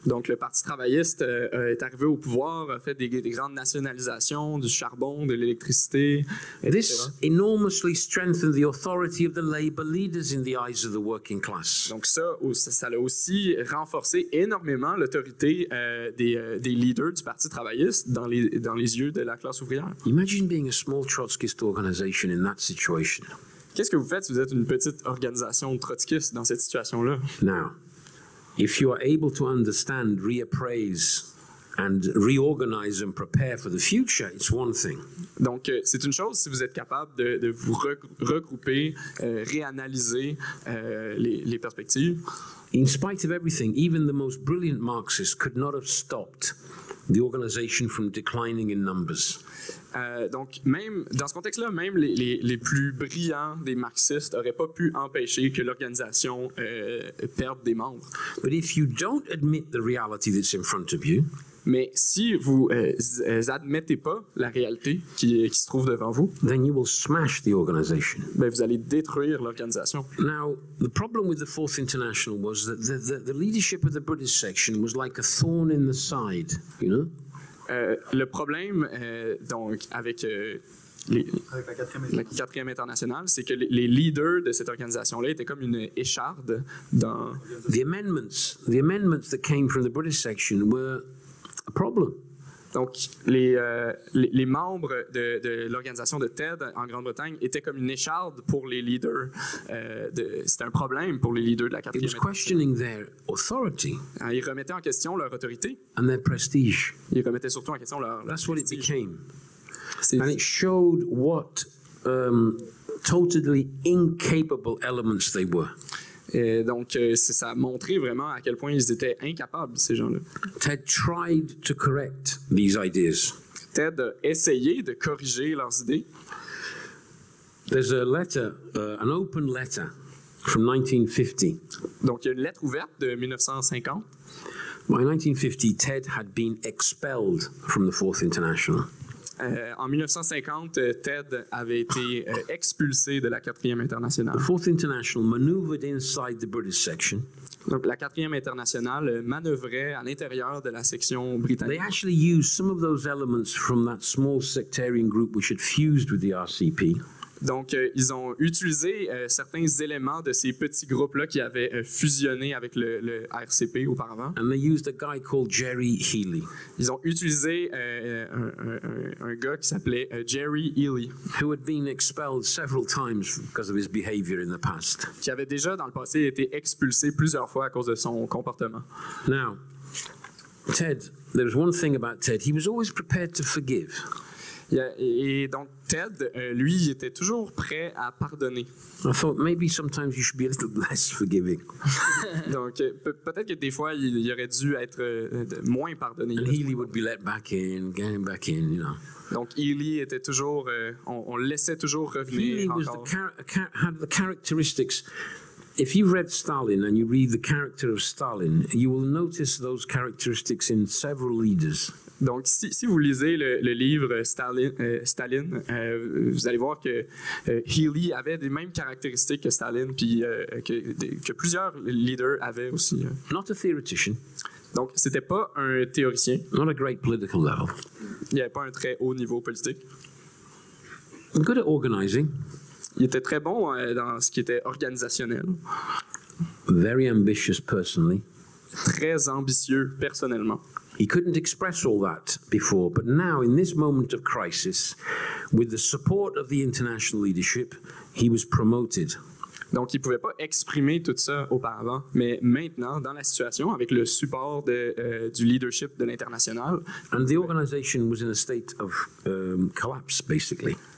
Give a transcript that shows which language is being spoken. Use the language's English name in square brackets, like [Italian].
[French] Donc le Parti travailliste est arrivé au pouvoir, a fait des grandes nationalisations du charbon, de l'électricité, etc. [English] This enormously strengthened the authority of the labor leaders in the eyes of the working class. [French] Donc ça a aussi renforcé énormément l'autorité des leaders du Parti travailliste dans les yeux de la classe ouvrière. [English] Imagine being a small Trotskyist organization in that situation. [French] Qu'est-ce que vous faites si vous êtes une petite organisation trotskiste dans cette situation-là? [English] Now, if you are able to understand, reappraise, and reorganize and prepare for the future, it's one thing. [French] Donc, c'est une chose si vous êtes capable de vous regrouper, réanalyser les perspectives. [English] In spite of everything, even the most brilliant Marxists could not have stopped the organization from declining in numbers. [French] Donc, même dans ce contexte-là, même les plus brillants des marxistes n'auraient pas pu empêcher que l'organisation perde des membres. [English] But if you don't admit the reality that's in front of you, [French] mais si vous n'admettez pas la réalité qui se trouve devant vous, [English] then you will smash the organization. [French] Ben vous allez détruire l'organisation. [English] Now, the problem with the Fourth International was that the leadership of the British section was like a thorn in the side, you know? [French] Le problème donc avec avec la quatrième internationale, c'est que les leaders de cette organisation-là étaient comme une écharde dans. [English] The amendments that came from the British section were a problem. [French] Donc les membres de l'organisation de TED en Grande-Bretagne étaient comme une écharde pour les leaders. C'était un problème pour les leaders de la quatrième. [English] It was questioning their authority. [French] Ils remettaient en question leur autorité. [English] And their prestige. [French] Ils remettaient surtout en question leur. [English] That's what it became. And it showed what totally incapable elements they were. [French] Et donc, ça a montré vraiment à quel point ils étaient incapables, ces gens-là. [English] Ted tried to correct these ideas. [French] Ted a essayé de corriger leurs idées. [English] There's a letter, an open letter from 1950. [French] Donc, il y a une lettre ouverte de 1950. [English] By 1950, Ted had been expelled from the Fourth International. [French] En 1950, Ted avait été expulsé de la 4e Internationale. [English] The Fourth International maneuvered inside the British section. [French] Donc, la 4e Internationale manœuvrait à l'intérieur de la section britannique. [English] They actually used some of those elements from that small sectarian group which had fused with the RCP. [French] Donc, ils ont utilisé certains éléments de ces petits groupes-là qui avaient fusionné avec le RCP auparavant. [English] And they used a guy called Jerry Healy. [French] Ils ont utilisé un gars qui s'appelait Jerry Healy. [English] Who had been expelled several times because of his behavior in the past. [French] Qui avait déjà, dans le passé, été expulsé plusieurs fois à cause de son comportement. [English] Now, Ted, there was one thing about Ted. He was always prepared to forgive. [French] Et donc Ted, lui, il était toujours prêt à pardonner. [English] I thought maybe sometimes you should be a little less forgiving. [French] Donc peut-être que des fois il aurait dû être moins pardonné. [English] And Healy would be let back in, going back in, you know. [French] Donc Healy était toujours, on le laissait toujours revenir. [English] Healy was the had the characteristics. If you've read Stalin and you read the character of Stalin, you will notice those characteristics in several leaders. [French] Donc, si vous lisez le livre Staline, vous allez voir que Healy avait les mêmes caractéristiques que Staline, puis que plusieurs leaders avaient aussi. [English] Not a theoretician. [French] Donc, c'était pas un théoricien. [English] Not a great political level. [French] Il avait pas un très haut niveau politique. [English] Good at organizing. [French] Il était très bon dans ce qui était organisationnel. [English] Very ambitious personally. [French] Très ambitieux personnellement. [English] He couldn't express all that before, but now, in this moment of crisis, with the support of the international leadership, he was promoted. [French] Donc, il pouvait pas exprimer tout ça auparavant, mais maintenant, dans la situation, avec le support du leadership de l'international. [English] And the organization was in a state of collapse, basically.